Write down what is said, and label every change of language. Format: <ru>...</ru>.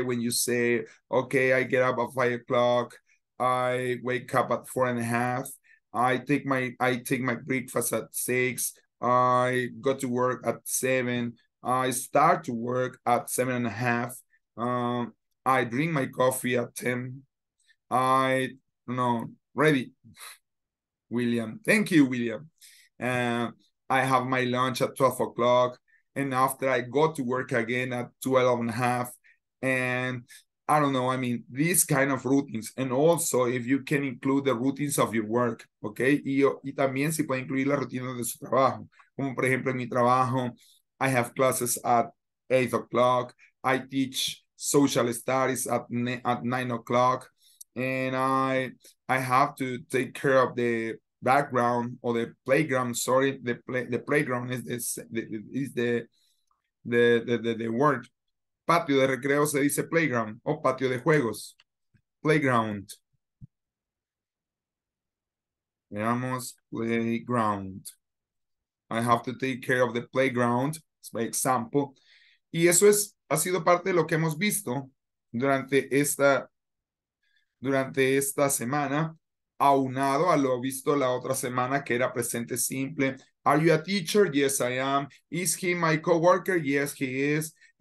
<en>When you say, okay, I get up at 5 o'clock, I wake up at 4:30, I take my breakfast at 6, I go to work at 7, I start to work at 7:30, I drink my coffee at 10, I don't know, ready, William. Thank you, William. I have my lunch at 12 o'clock, and after I go to work again at 12:30, and I don't know, I mean, these kind of routines. And also, if you can include the routines of your work, okay?</en> <es>Y también si puede incluir las rutinas de su trabajo. Como por ejemplo, en mi trabajo,</es> <en>I have classes at 8 o'clock, I teach social studies at 9 o'clock, and I have to take care of the background or the playground, sorry, the playground is the word.</en> <es>Patio de recreo se dice playground o patio de juegos.</es> <en>Playground.</en> <es>Veamos, playground.</es> <en>I have to take care of the playground, by example.</en> <es>Y eso es, ha sido parte de lo que hemos visto durante esta semana, aunado a lo visto la otra semana, que era presente simple.</es> <en>Are you a teacher? Yes, I am. Is he my coworker? Yes, he is.</en>